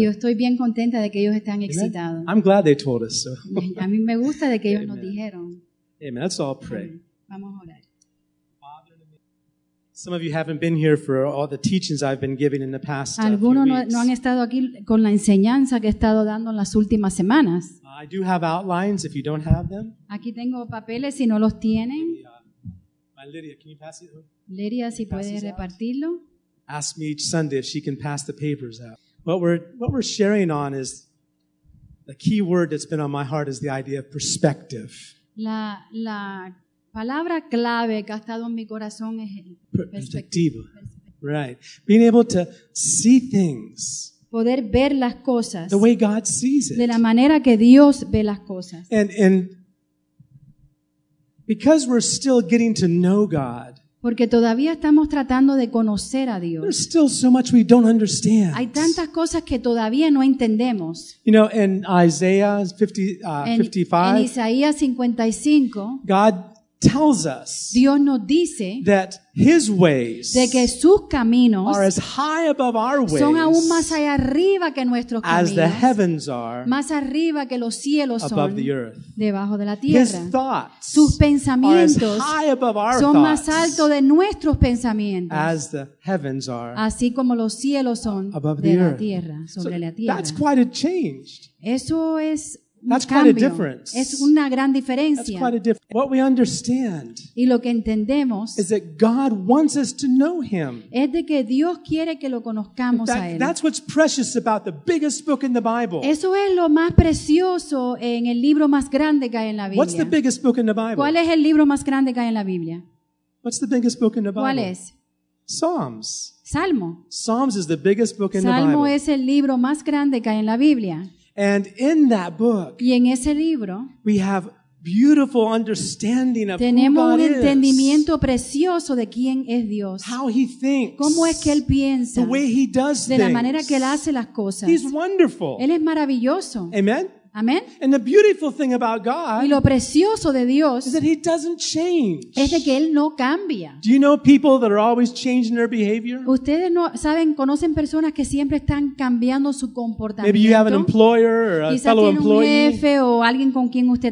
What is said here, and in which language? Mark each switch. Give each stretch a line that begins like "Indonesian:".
Spanish: Y yo estoy bien contenta de que ellos están excitados.
English: I'm glad they told us so.
Spanish: A mí me gusta de que ellos nos dijeron.
English: Amen. Let's all pray.
Spanish: Vamos a orar.
English: Some of you haven't been here for all the teachings I've been giving in the past.
Spanish: Algunos no han estado aquí con la enseñanza que he estado dando en las últimas semanas.
English: I do have outlines if you don't have them.
Spanish: Aquí tengo papeles si no los tienen.
English: Lydia, can you pass it?
Spanish: Lydia, si puedes repartirlo.
English: Ask me each Sunday if she can pass the papers out. What we're sharing on is the key word that's been on my heart is the idea of perspective.
Spanish: La palabra clave que ha estado en mi corazón es
English: perspectiva. Right. Being able to see things.
Spanish: Poder ver las cosas.
English: The way God sees it.
Spanish: De la manera que Dios ve las cosas.
English: And because we're still getting to know God.
Spanish: Porque todavía estamos tratando de conocer a Dios.
English: There's still so much we don't understand.
Spanish: Hay tantas cosas que todavía no entendemos.
English: You know, in Isaiah 55,
Spanish: en Isaías 55,
English: God tells us,
Spanish: Dios nos dice,
English: that His ways,
Spanish: de que sus caminos,
English: are as high above our ways,
Spanish: son aún más allá arriba que nuestros caminos,
English: as the heavens are,
Spanish: más arriba que los cielos son,
English: above the earth,
Spanish: debajo de la tierra.
English: His thoughts,
Spanish: sus pensamientos,
English: are as high above our
Spanish: son más alto de nuestros pensamientos,
English: as the heavens are,
Spanish: así como los cielos son,
English: above
Spanish: de
English: the earth,
Spanish: la tierra, sobre
English: so
Spanish: la tierra.
English: That's quite a change.
Spanish: Eso es.
English: That's quite a difference.
Spanish: Es una gran diferencia.
English: That's quite a difference. What we understand,
Spanish: y lo que entendemos,
English: is that God wants us to know Him.
Spanish: Es de que Dios quiere que lo conozcamos
English: that,
Spanish: a Él.
English: That's what's precious about the biggest book in the Bible.
Spanish: Eso es lo más precioso en el libro más grande que hay en la Biblia.
English: What's the biggest book in the Bible?
Spanish: ¿Cuál es el libro más grande que hay en la Biblia?
English: What's the biggest book in the Bible?
Spanish: ¿Cuál es?
English: Psalms.
Spanish: Salmo.
English: Psalms is the biggest book in
Spanish: Salmo
English: the Bible.
Spanish: Salmo es el libro más grande que hay en la Biblia.
English: And in that book,
Spanish: y en ese libro,
English: we have beautiful understanding of who God is.
Spanish: Tenemos un entendimiento precioso de quién es Dios.
English: How He thinks.
Spanish: Cómo es que él piensa.
English: The way He does things.
Spanish: De la manera que él hace las cosas.
English: He's wonderful.
Spanish: Él es maravilloso.
English: Amen.
Spanish: Amen.
English: And the beautiful thing about God,
Spanish: y lo precioso de Dios,
English: is that He doesn't change.
Spanish: Es de que él no cambia.
English: Do you know people that are always changing their behavior?
Spanish: Ustedes no saben, conocen personas que siempre están cambiando su comportamiento.
English: Maybe you have an employer or a
Spanish: quizá
English: fellow employee.
Spanish: Quizá tiene un jefe o alguien con quien usted